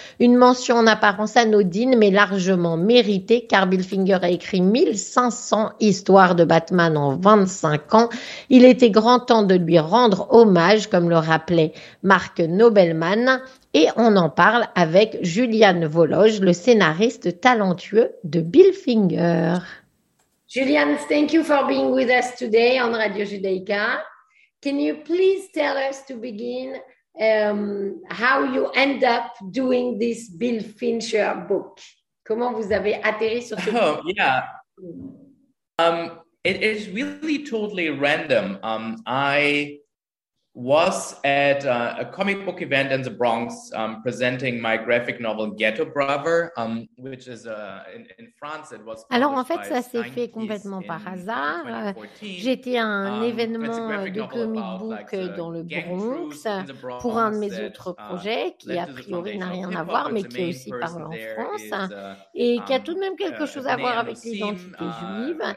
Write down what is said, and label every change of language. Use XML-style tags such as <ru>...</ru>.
<fr>Une mention en apparence anodine, mais largement méritée, car Bill Finger a écrit 1500 histoires de Batman en 25 ans. Il était grand temps de lui rendre hommage, comme le rappelait Mark Nobleman. Et on en parle avec Julian Vologe, le scénariste talentueux de Bill Finger.</fr> <en>Julian, thank you for being with us today on Radio Judaica. Can you please tell us to begin how you end up doing this Bill Finger book?</en> <fr>Comment vous avez atterri sur ce</fr> <en>book? Oh, yeah. It is really totally random. I was at a comic book event in the Bronx presenting my graphic novel Ghetto Braver, which is in France. It was.</en> <fr>Alors en fait, ça s'est fait complètement par hasard. J'étais à un événement de comic book dans le Bronx pour un de mes autres projets qui a priori n'a rien à voir, mais qui est aussi parlé en France et qui a tout de même quelque chose à voir avec l'identité juive.</fr>